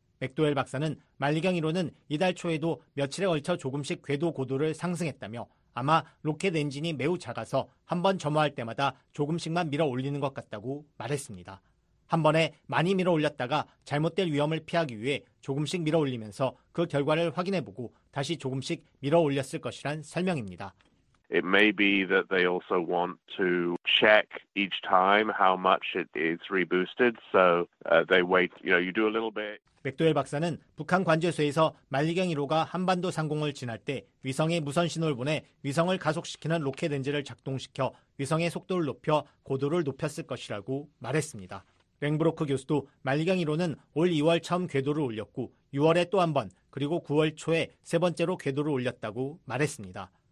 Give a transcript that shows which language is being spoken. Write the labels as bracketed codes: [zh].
[ko] 맥도웰 박사는 만리경 1호는 이달 초에도 며칠에 걸쳐 조금씩 궤도 고도를 상승했다며 아마 로켓 엔진이 매우 작아서 한번 점화할 때마다 조금씩만 밀어 올리는 것 같다고 말했습니다. 한 번에 많이 밀어 올렸다가 잘못될 위험을 피하기 위해 조금씩 밀어 올리면서 그 결과를 확인해보고 다시 조금씩 밀어 올렸을 것이란 설명입니다. [en] It may be that they also want to check each time how much it is reboosted, so they wait, you know, you do a little bit. [ko] 맥도웰 박사는 북한 관제소에서 만리경 1호가 한반도 상공을 지날 때 위성에 무선 신호를 보내 위성을 가속시키는 로켓 엔진을 작동시켜 위성의 속도를 높여 고도를 높였을 것이라고 말했습니다. 랭브로크 교수도 만리경 1호는 올 2월 처음 궤도를 올렸고 6월에 또 한 번, 그리고 9월 초에 세 번째로 궤도를 올렸다고 말했습니다.